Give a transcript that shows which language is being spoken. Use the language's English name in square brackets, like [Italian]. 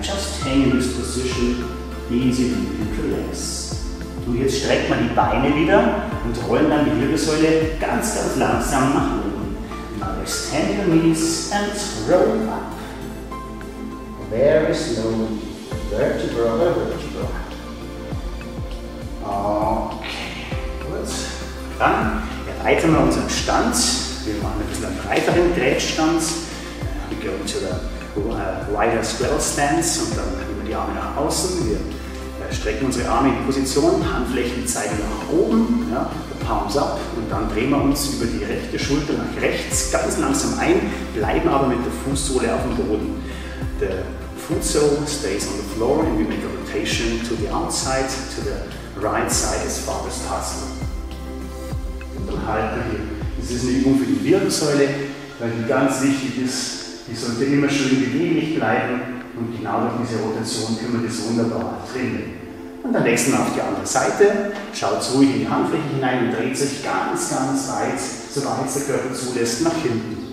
[English] Just hang in this position, easy and relax. [German] Und jetzt streckt man die Beine wieder und rollen dann die Wirbelsäule ganz, ganz langsam nach oben. [English] Now extend your knees and roll up. Very slowly. Vertebra by vertebra. Okay, gut. [German] Dann erweitern wir unseren Stand. Wir machen ein bisschen einen breiteren Drehstand. [English] We go into the wider squirrel stance [German] und dann über die Arme nach außen. Wir strecken unsere Arme in Position, Handflächen zeigen nach oben, ja, [English] Palms up [German] und dann drehen wir uns über die rechte Schulter nach rechts ganz langsam ein, bleiben aber mit der Fußsohle auf dem Boden. [English] The foot sole stays on the floor and we make a rotation to the outside, to the right side as far as possible. [German] Und dann halten wir hier. Das ist eine Übung für die Wirbelsäule, weil die ganz wichtig ist, die sollte immer schön beweglich bleiben und genau durch diese Rotation können wir das wunderbar trainieren. Und dann wechseln wir auf die andere Seite, schaut ruhig in die Handfläche hinein und dreht sich ganz, ganz weit, soweit es der Körper zulässt, nach hinten.